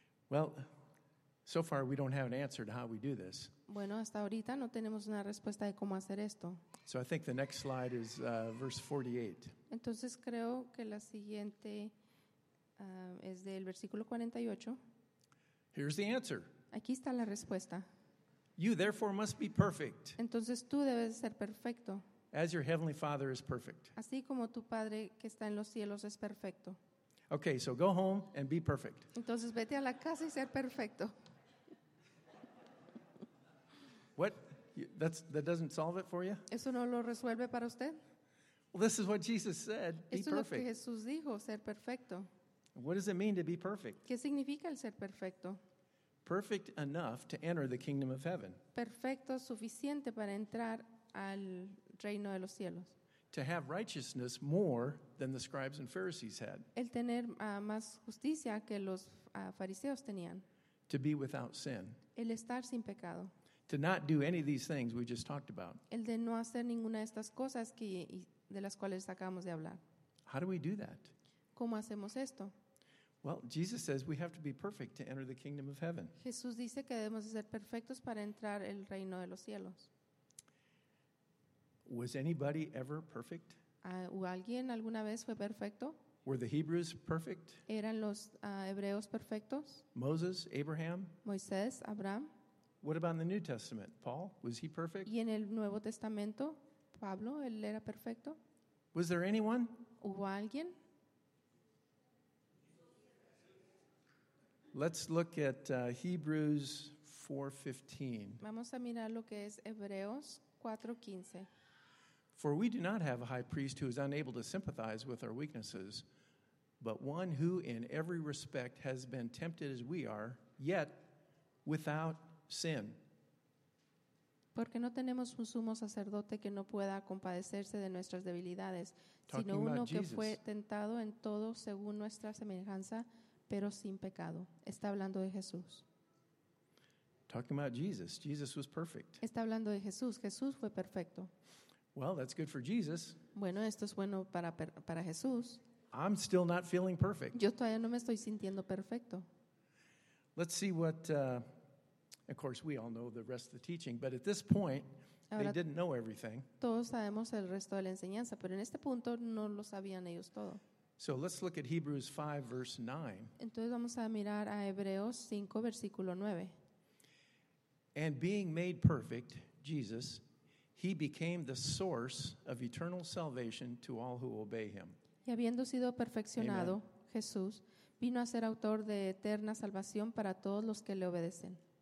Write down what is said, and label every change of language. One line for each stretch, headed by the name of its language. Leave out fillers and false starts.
English: Well, so far we don't have an answer to how we do this.
Spanish: Bueno, hasta ahorita no tenemos una respuesta de cómo hacer esto.
English: So I think the next slide is verse 48.
Spanish: Entonces creo que la siguiente es del versículo 48.
English: Here's the answer.
Spanish: Aquí está la respuesta.
English: You therefore must be perfect.
Spanish: Entonces tú debes ser perfecto.
English: As your heavenly Father is perfect.
Spanish: Así como tu padre que está en los cielos es perfecto.
English: Okay, so go home and be perfect.
Spanish: Entonces vete a la casa y ser perfecto.
English: What? That doesn't solve it for you?
Spanish: Eso no lo resuelve para usted.
English: Well, this is what Jesus said. Be perfect.
Spanish: Eso es lo que Jesús dijo, ser perfecto.
English: What does it mean to be perfect?
Spanish: ¿Qué significa el ser perfecto?
English: Perfect enough to enter the kingdom of heaven.
Spanish: Perfecto suficiente para entrar al reino de los cielos.
English: To have righteousness more than the scribes and Pharisees had.
Spanish: El tener más justicia que los fariseos tenían.
English: To be without sin.
Spanish: El estar sin pecado.
English: to not do any of these things we just talked about.
Spanish: El de no hacer ninguna de estas cosas que de las cuales acabamos de hablar.
English: How do we do that?
Spanish: ¿Cómo hacemos esto?
English: Well, Jesus says we have to be perfect to enter the kingdom of heaven.
Spanish: Jesús dice que debemos de ser perfectos para entrar el reino de los cielos.
English: Was anybody ever perfect?
Spanish: ¿Alguien alguna vez fue perfecto?
English: Were the Hebrews perfect?
Spanish: ¿Eran los hebreos perfectos?
English: Moses, Abraham?
Spanish: Moisés, Abraham?
English: What about in the New Testament? Paul, was he perfect?
Spanish: ¿Y en el Nuevo Testamento, Pablo, él era perfecto?
English: Was there anyone?
Spanish: ¿Hubo alguien?
English: Let's look at Hebrews 4:15.
Spanish: Vamos a mirar lo que es Hebreos 4:15.
English: For we do not have a high priest who is unable to sympathize with our weaknesses, but one who in every respect has been tempted as we are, yet without sin.
Spanish: Porque no tenemos un sumo sacerdote que no pueda compadecerse de nuestras debilidades, sino uno que fue tentado en todo según nuestra semejanza, pero sin pecado. Está hablando de Jesús.
English: Talking about Jesus. Jesus was perfect.
Spanish: Está hablando de Jesús. Jesús fue perfecto.
English: Well, that's good for Jesus.
Spanish: Bueno, esto es bueno para Jesús.
English: I'm still not feeling perfect.
Spanish: Yo todavía no me estoy sintiendo perfecto.
English: Let's see what, of course, we all know the rest of the teaching, but at this point,
Spanish: ahora,
English: they didn't know everything.
Spanish: Todos sabemos el resto de la enseñanza, pero en este punto no lo sabían ellos todo.
English: So let's look at Hebrews 5, verse 9.
Spanish: Entonces vamos a mirar a Hebreos 5, versículo 9.
English: And being made perfect, Jesus, he became the source of eternal salvation to all who obey him.
Spanish: Y habiendo sido perfeccionado, Amen. Jesús vino a ser autor de eterna salvación para todos los que le obedecen.